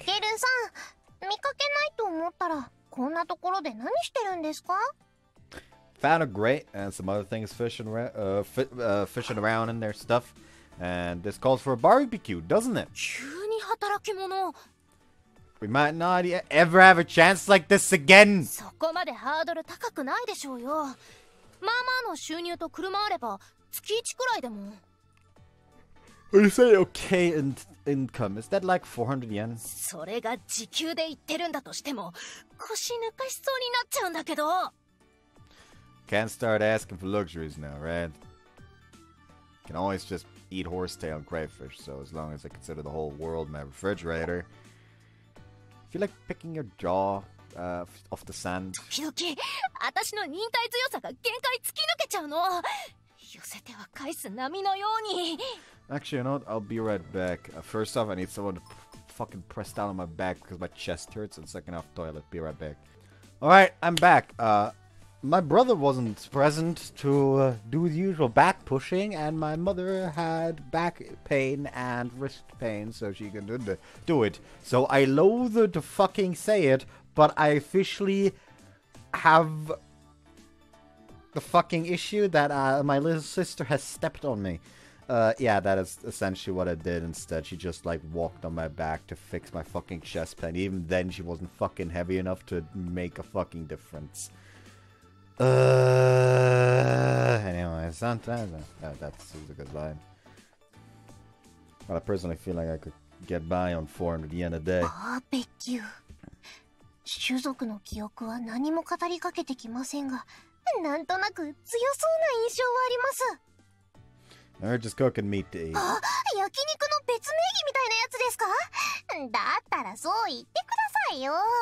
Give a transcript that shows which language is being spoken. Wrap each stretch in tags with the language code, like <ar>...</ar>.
<ja>Takeru-san, 見かけないと思ったらこんなところで何してるんですか?</ja> <en>Found a grate and some other things fishing around in their stuff. And this calls for a barbecue, doesn't it?</en> <ja>急に働き者。</ja> <en>We might not ever have a chance like this again!</en> <ja>そこまでハードル高くないでしょうよ。まあまあの収入と車あれば月1くらいでも。</ja> <en>When you say okay in income, is that like 400 yen?</en> <ja>それが時給で言ってるんだとしても、腰抜かしそうになっちゃうんだけど。</ja> <en>Can't start asking for luxuries now, right? Can always just eat horse tail and crayfish, so as long as I consider the whole world my refrigerator. Feel like picking your jaw off the sand?</en> <ja>時々、私の忍耐強さが限界突き抜けちゃうの。寄せては返す波のように。</ja> <en>Actually, you know what? I'll be right back. First off, I need someone to fucking press down on my back because my chest hurts. And second off, toilet. Be right back. Alright, I'm back. My brother wasn't present to do the usual back pushing, and my mother had back pain and wrist pain, so she can do it. So I loathe to fucking say it, but I officially have the fucking issue that my little sister has stepped on me. Yeah, that is essentially what I did instead. She just, like, walked on my back to fix my fucking chest pain. Even then, she wasn't fucking heavy enough to make a fucking difference. Anyway, sometimes... that's a good line. But I personally feel like I could get by on 400 yen a day. Barbecue.</en> <ja>種族の記憶は何も語りかけてきませんが、なんとなく強そうな印象はあります。</ja> <en>They're just cooking meat to eat.</en> <ja>焼肉の別名義みたいなやつですか? だったらそう言ってくださいよ。</ja>